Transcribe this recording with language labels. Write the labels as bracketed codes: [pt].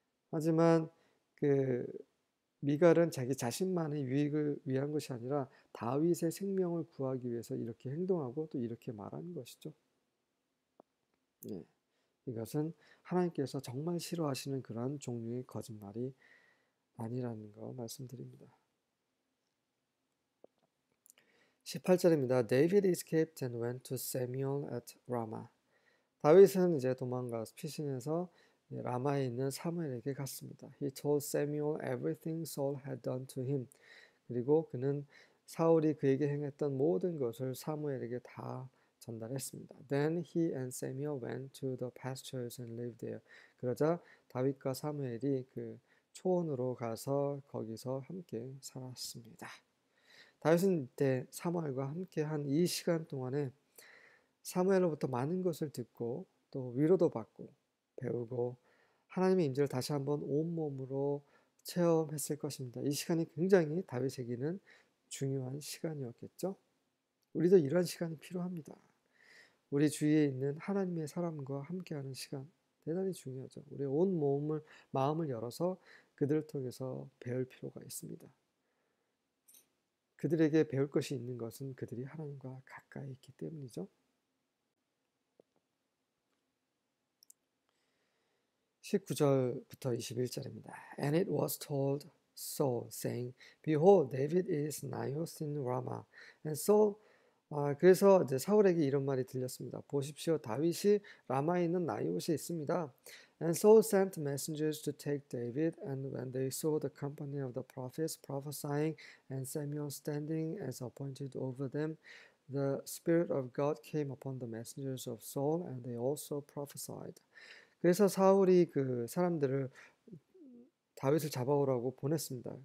[ko] 하지만 그 미갈은 자기 자신만의 유익을 위한 것이 아니라 다윗의 생명을 구하기 위해서 이렇게 행동하고 또 이렇게 말하는 것이죠. 이것은 하나님께서 정말 싫어하시는 그러한 종류의 거짓말이 아니라는 거 말씀드립니다. 18절입니다. [en] David escaped and went to Samuel at Ramah. [ko] 다윗은 이제 도망가 피신해서 라마에 있는 사무엘에게 갔습니다. [en] He told Samuel everything Saul had done to him. [ko] 그리고 그는 사울이 그에게 행했던 모든 것을 사무엘에게 다 전달했습니다. [en] Then he and Samuel went to the pastures and lived there. [ko] 그러자 다윗과 사무엘이 그 초원으로 가서 거기서 함께 살았습니다. 다윗은 이때 사무엘과 함께 한이 시간 동안에 사무엘로부터 많은 것을 듣고 또 위로도 받고 배우고 하나님의 임재를 다시 한번 온몸으로 체험했을 것입니다. 이 시간이 굉장히 다윗에게는 중요한 시간이었겠죠? 우리도 이러한 시간이 필요합니다. 우리 주위에 있는 하나님의 사람과 함께하는 시간, 대단히 중요하죠. 우리의 온 몸을, 마음을 열어서 그들을 통해서 배울 필요가 있습니다. 그들에게 배울 것이 있는 것은 그들이 하나님과 가까이 있기 때문이죠. 19절부터 21절입니다. [en] And it was told Saul, saying, Behold, David is Naioth in Ramah. And Saul, [ko] 그래서 이제 사울에게 이런 말이 들렸습니다. 보십시오, 다윗이 라마에 있는 나이옷에 있습니다. [en] And Saul sent messengers to take David, and when they saw the company of the prophets prophesying, and Samuel standing as appointed over them, the Spirit of God came upon the messengers of Saul, and they also prophesied. [ko] 그래서 사울이 그 사람들을 다윗을 잡아오라고 보냈습니다.